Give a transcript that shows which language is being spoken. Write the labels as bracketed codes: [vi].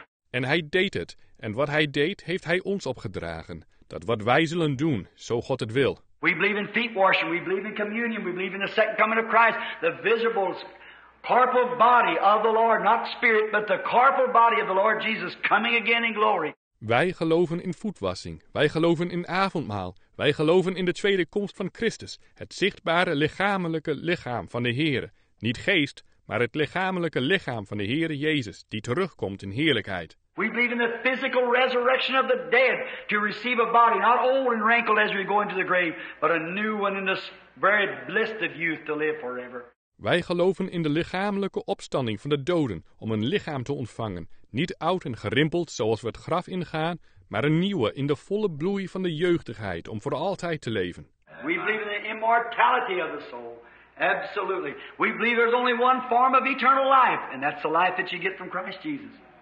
[nl] En hij deed het. En wat hij deed, heeft hij ons opgedragen. Dat wat wij zullen doen, zo God het wil. [en] We believe in feet washing, we believe in communion, we believe in the second coming of Christ, the visible, corporal body of the Lord, not spirit, but the corporal body of the Lord Jesus coming again in glory. [nl] Wij geloven in voetwassing, wij geloven in avondmaal, wij geloven in de tweede komst van Christus, het zichtbare lichamelijke lichaam van de Heere, niet geest, maar het lichamelijke lichaam van de Heere Jezus, die terugkomt in heerlijkheid. [en] We believe in the physical resurrection of the dead to receive a body, not old and wrinkled as we go into the grave, but a new one in the very bliss of youth to live forever. [nl] Wij geloven in de lichamelijke opstanding van de doden om een lichaam te ontvangen, niet oud en gerimpeld zoals we het graf ingaan, maar een nieuwe in de volle bloei van de jeugdigheid om voor altijd te leven. [en] We believe in the immortality of the soul. Absolutely. We believe there's only one form of eternal life, and that's the life that you get from Christ Jesus.